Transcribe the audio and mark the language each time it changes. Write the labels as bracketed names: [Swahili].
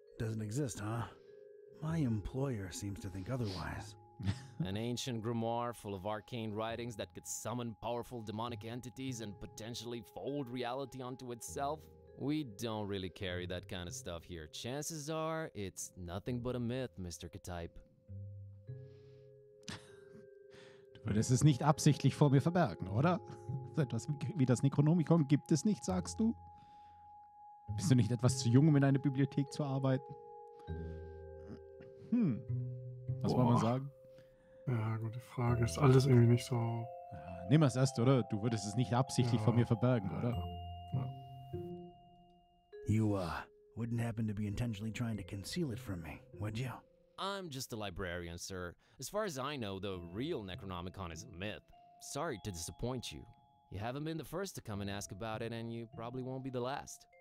[English] Doesn't exist, huh? My employer seems to think otherwise. An ancient grimoire full of arcane writings that could summon powerful demonic entities and potentially fold reality onto itself? We don't really carry that kind of stuff here. Chances are, it's nothing but a myth, Mr. K-Type. [German] Du würdest es nicht absichtlich vor mir verbergen, oder? So etwas wie das Necronomicon gibt es nicht, sagst du? Bist du nicht etwas zu jung, um in einer Bibliothek zu arbeiten? Was wollen wir sagen? Ja, gute Frage. Ist alles irgendwie nicht so... Ja, nimm es erst, oder? Du würdest es nicht absichtlich von mir verbergen, oder? Ja. [English] You, wouldn't happen to be intentionally trying to conceal it from me, would you? I'm just a librarian, sir. As far as I know, the real Necronomicon is a myth. Sorry to disappoint you. You haven't been the first to come and ask about it, and you probably won't be the last.